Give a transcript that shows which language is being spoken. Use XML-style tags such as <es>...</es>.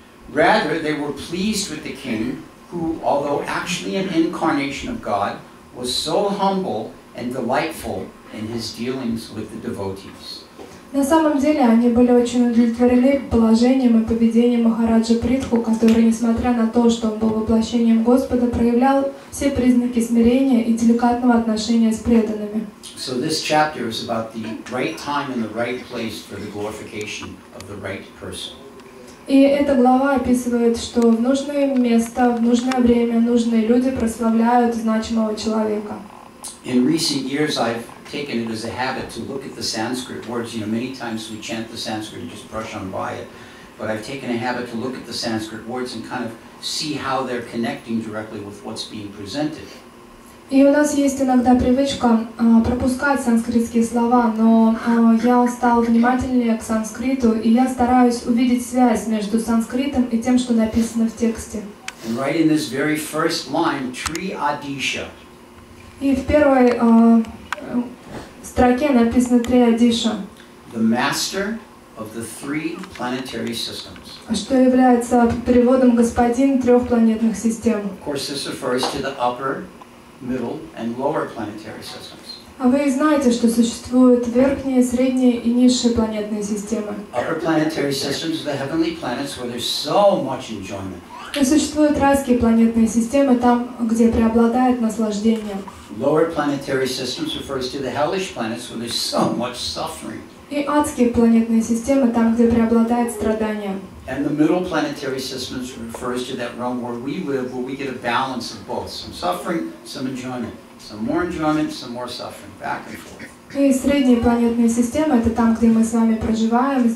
<en>Rather, they were pleased with the king, who, although actually an incarnation of God, was so humble and delightful in his dealings with the devotees.</en> <ru>На самом деле они были очень удовлетворены положением и поведением Махараджа Притху, который, несмотря на то, что он был воплощением Господа, проявлял все признаки смирения и деликатного отношения с преданными.</ru> <en>So this chapter is about the right time and the right place for the glorification of the right person.</en> <ru>И эта глава описывает, что в нужное место, в нужное время, нужные люди прославляют значимого человека.</ru> <en>In recent years, I've taken it as a habit to look at the Sanskrit words. You know, many times we chant the Sanskrit and just brush on by it. But I've taken a habit to look at the Sanskrit words and kind of see how they're connecting directly with what's being presented.</en> <ru>И у нас есть иногда привычка пропускать санскритские слова, но я стал внимательнее к санскриту, и я стараюсь увидеть связь между санскритом и тем, что написано в тексте.</ru> <en>And right in this very first line, Tri Adisha.</en> <ru>И в первой строке написано Tri Adisha.</ru> <en>The master of the three planetary systems.</en> <ru>Что является переводом господин трех планетных систем.</ru> <en>Of course, this refers to the upper, middle and lower planetary systems.</en> <ru>А вы знаете, что существуют верхние, средние и низшие планетные системы.</ru> <en>Upper planetary systems are the heavenly planets where there's so much enjoyment.</en> <ru>И существуют райские планетные системы, там, где преобладает наслаждение.</ru> <en>Lower planetary systems refers to the hellish planets where there's so much suffering.</en> <ru>И адские планетные системы, там, где преобладает страдание.</ru> <en>And the middle planetary systems refers to that realm where we live, where we get a balance of both, some suffering, some enjoyment, some more enjoyment, some more suffering, back and forth.</en> <ru>И средние планетные системы — это там, где мы с вами проживаем.</ru>